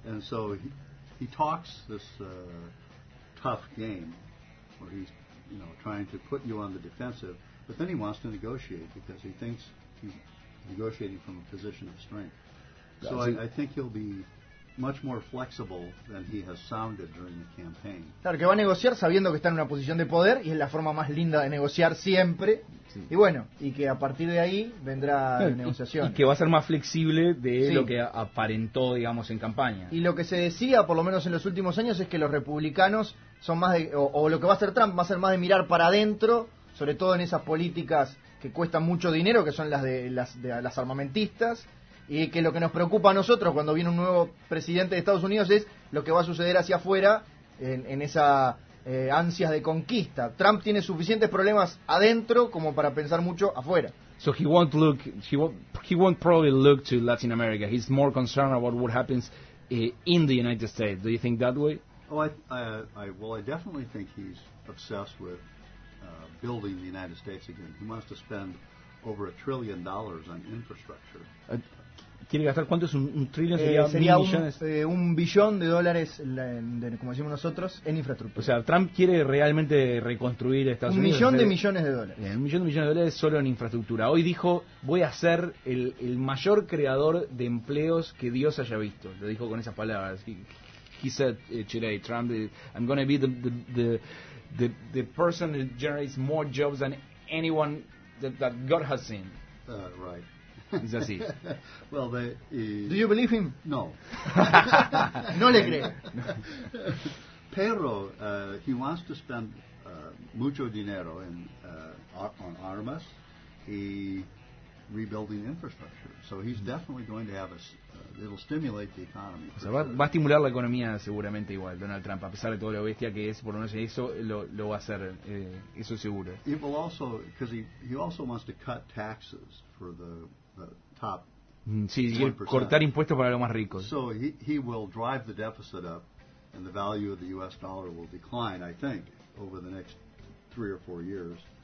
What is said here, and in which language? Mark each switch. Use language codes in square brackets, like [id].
[en] And so he talks this tough game where he's, you know, trying to put you on the defensive. But then he wants to negotiate because he thinks he's negotiating from a position of strength. So I think he'll be much more flexible than he has sounded during the campaign. [es] Claro, que va a negociar sabiendo que está en una posición de poder y es la forma más linda de negociar siempre. Sí. Y bueno, y que a partir de ahí vendrá la negociación. Y que va a ser más flexible de lo que aparentó, digamos, en campaña. Y lo que se decía, por lo menos en los últimos años, es que los republicanos son más de... O lo que va a hacer Trump va a ser más de mirar para adentro, sobre todo en esas políticas que cuestan mucho dinero, que son las armamentistas, y que lo que nos preocupa a nosotros cuando viene un nuevo presidente de Estados Unidos es lo que va a suceder hacia afuera en esa ansias de conquista. Trump tiene suficientes problemas adentro como para pensar mucho afuera. [en] So he won't probably look to Latin America. He's more concerned about what happens in the United States. Do you think that way? Oh, I definitely think he's obsessed with building the United States again. He wants to spend over $1 trillion on infrastructure. [es] ¿Quiere gastar cuánto es un trillón? Sería un billón de dólares, como decimos nosotros, en infraestructura. O sea, Trump quiere realmente reconstruir Estados Unidos. Un millón de millones de dólares. Un millón de millones de dólares solo en infraestructura. Hoy dijo, voy a ser el mayor creador de empleos que Dios haya visto. Lo dijo con esas palabras. [en] He said today, Trump, I'm going to be the person that generates more jobs than anyone that God has seen. Right. [es] Es así. [en] Well, do you believe him? [es] No. No le creo. Pero [en] he wants to spend [es] mucho dinero [en] on [es] armas y [en] rebuilding infrastructure. So he's definitely going to have it'll stimulate the economy. [es] O sea, va a estimular la economía seguramente igual, Donald Trump, a pesar de todo lo bestia que es, por lo menos eso lo va a hacer, eso seguro. [en] He will also, because he also wants to cut taxes for the top [es] 20%. Sí, cortar impuestos para los más ricos. [en] So he will drive the deficit up and the value of the U.S. dollar will decline, I think, over the next 3 or 4 years.